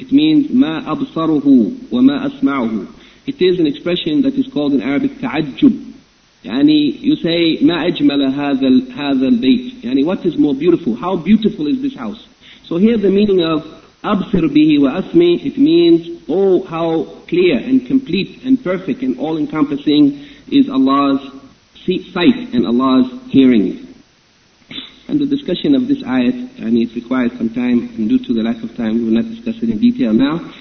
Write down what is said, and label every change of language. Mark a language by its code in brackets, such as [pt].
[en] It means [ar] ما أبصره وما أسمعه. [en] It is an expression that is called in Arabic تعجب. You say [ar] ما أجمل هذا البيت. [en] What is more beautiful? How beautiful is this house? So here the meaning of [ar] أبصر به وأسمع, [en] it means, oh, how clear and complete and perfect and all-encompassing is Allah's sight and Allah's hearing. And the discussion of this ayat, it requires some time, and due to the lack of time, we will not discuss it in detail now.